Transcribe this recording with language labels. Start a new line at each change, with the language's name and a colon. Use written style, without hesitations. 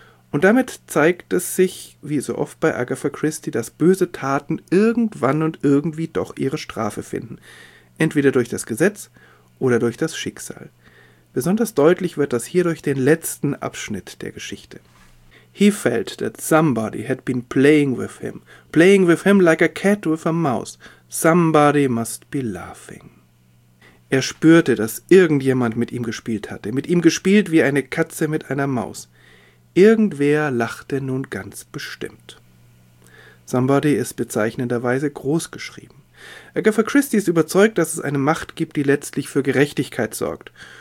German: Und damit zeigt es sich, wie so oft bei Agatha Christie, dass böse Taten irgendwann und irgendwie doch ihre Strafe finden. Entweder durch das Gesetz oder durch das Schicksal. Besonders deutlich wird das hier durch den letzten Abschnitt der Geschichte.
English: "He felt that somebody had been playing with him like a cat with a mouse. Somebody must be laughing."
German: Er spürte, dass irgendjemand mit ihm gespielt hatte, mit ihm gespielt wie eine Katze mit einer Maus. Irgendwer lachte nun ganz bestimmt. Somebody ist bezeichnenderweise groß geschrieben. Agatha Christie ist überzeugt, dass es eine Macht gibt, die letztlich für Gerechtigkeit sorgt.